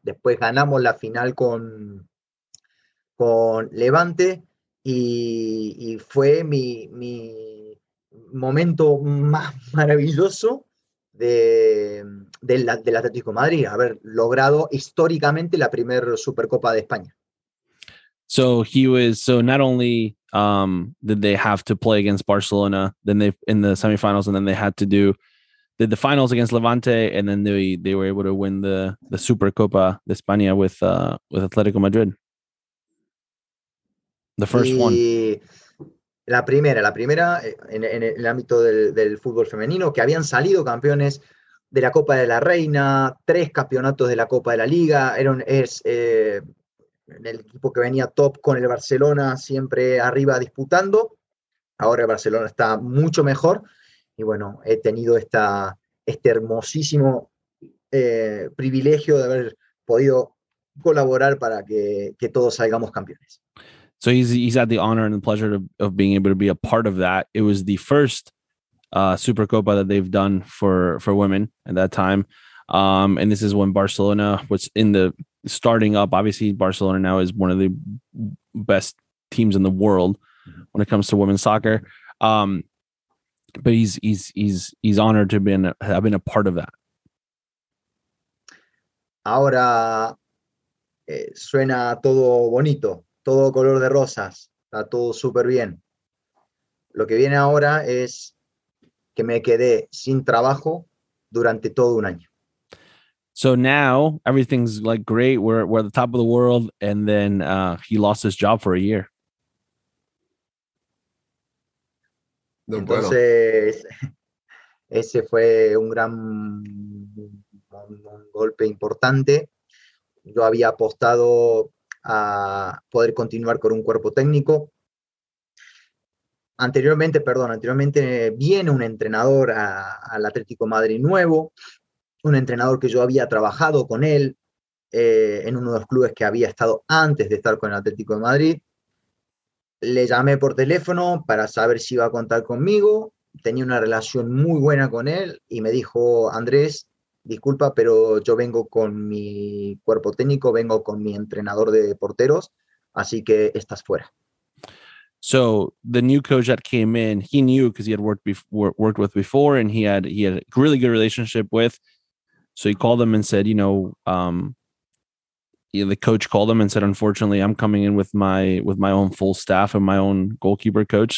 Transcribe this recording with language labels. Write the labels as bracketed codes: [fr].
[es] Después ganamos la final con Levante. Y fue mi momento más maravilloso del Atlético de Madrid, haber logrado históricamente la primera Supercopa de España. [en] So he was, so not only did they have to play against Barcelona, then they in the semifinals, and then they had to did the finals against Levante, and then they were able to win the Supercopa de España with Atlético Madrid. The first [es] y [en] one. [es] La primera en el ámbito del fútbol femenino, que habían salido campeones de la Copa de la Reina, 3 campeonatos de la Copa de la Liga, el equipo que venía top con el Barcelona, siempre arriba disputando. Ahora el Barcelona está mucho mejor, y bueno, he tenido este hermosísimo privilegio de haber podido colaborar para que todos salgamos campeones. [en] So he's had the honor and the pleasure of being able to be a part of that. It was the first Supercopa that they've done for women at that time. And this is when Barcelona was in the starting up. Obviously, Barcelona now is one of the best teams in the world when it comes to women's soccer. But he's honored to have been a part of that. [es] Ahora suena todo bonito. Todo color de rosas, está todo súper bien. Lo que viene ahora es que me quedé sin trabajo durante todo un año. So now everything's like great, we're at the top of the world, and then he lost his job for a year. Entonces, ese fue un gran un golpe importante. Yo había apostado a poder continuar con un cuerpo técnico. Anteriormente viene un entrenador al Atlético de Madrid nuevo, un entrenador que yo había trabajado con él en uno de los clubes que había estado antes de estar con el Atlético de Madrid. Le llamé por teléfono para saber si iba a contar conmigo. Tenía una relación muy buena con él y me dijo: Andrés, disculpa, pero yo vengo con mi cuerpo técnico, vengo con mi entrenador de porteros, así que estás fuera. [en] So the new coach that came in, he knew because he had worked with before, and he had really good relationship with. So he called them and said, the coach called him and said, unfortunately, I'm coming in with my own full staff and my own goalkeeper coach.